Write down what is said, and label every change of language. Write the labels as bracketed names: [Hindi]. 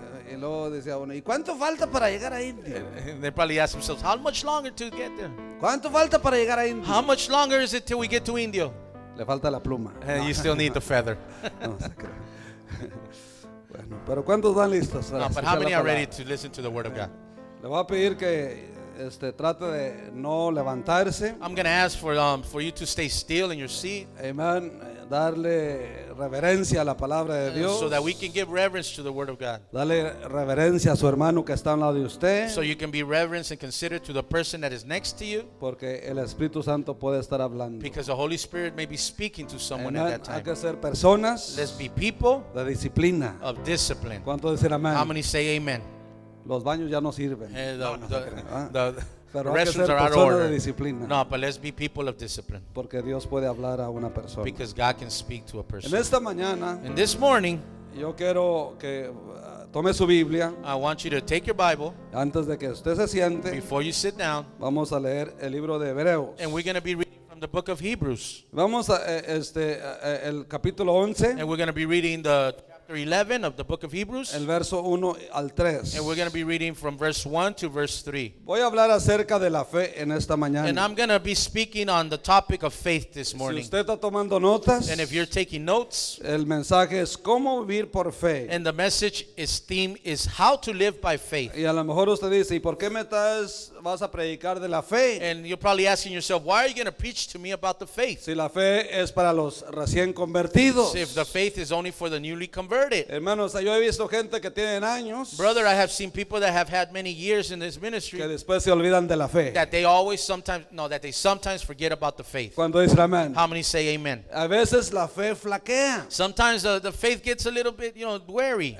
[Spanish] Y luego decía uno, ¿y cuánto falta para llegar a India? [English] They probably ask themselves, how much longer to get there? [Spanish] ¿Cuánto falta para llegar a India? [English] How much longer is it till we get to India? [Spanish] Le falta la pluma. [English] And you still need the feather. [Spanish] Bueno, pero ¿cuántos están listos? [English] No, but how many are ready to listen to the word of God? [Spanish] Le voy a pedir que trate de no levantarse. [English] I'm going to ask for you to stay still in your seat. [Spanish] Amen. Darle reverencia a la palabra de Dios. [English] So that we can give reverence to the word of God. [Spanish] Dale reverencia a su hermano que está al lado de usted. [English] So you can be reverence and consider to the person that is next to you. [Spanish] Porque el Espíritu Santo puede estar hablando. [English] Because the Holy Spirit may be speaking to someone amen. At that time. [Spanish] Hay que ser personas. [English] Let's be people. [Spanish] De disciplina. [English] Of discipline. [Spanish] ¿Cuánto decir amén? [English] How many say amen? [Spanish] Los baños ya no sirven. [English] The [Spanish] Pero [English] restrooms are out of order. [Spanish] Disciplina. [English] No, but let's be people of discipline. [Spanish] Porque Dios puede hablar a una persona. [English] Because God can speak to a person. [Spanish] En esta mañana, [English] in this morning, [Spanish] yo quiero que tome su Biblia. [English] I want you to take your Bible. [Spanish] Antes de que usted se siente, [English] before you sit down, [Spanish] vamos a leer el libro de Hebreos. [English] And we're going to be reading from the book of Hebrews. [Spanish] Vamos a, el capítulo 11. [English] And we're going to be reading the 11 of the book of Hebrews, [Spanish] el verso 1 al 3. [English] And we're going to be reading from verse 1 to verse 3. [Spanish] Voy a hablar acerca de la fe en esta mañana. [English] And I'm going to be speaking on the topic of faith this morning. [Spanish] Si usted está tomando notas, [English] and if you're taking notes, [Spanish] el mensaje es cómo vivir por fe. [English] And the message is theme is how to live by faith. [Spanish] Y a lo mejor usted dice, ¿y por qué me estás vas a predicar de la fe? [English] And you're probably asking yourself, why are you going to preach to me about the faith? [Spanish] Si la fe es para los recién convertidos. [English] If the faith is only for the newly converted. [Spanish] Hermanos, yo he visto gente que tienen años. [English] Brother, I have seen people that have had many years in this ministry. [Spanish] Que después se olvidan de la fe. [English] That they sometimes forget about the faith. [Spanish] ¿Cuándo dicen amén? [English] How many say amen? [Spanish] A veces la fe flaquea. [English] Sometimes the faith gets a little bit, you know, weary.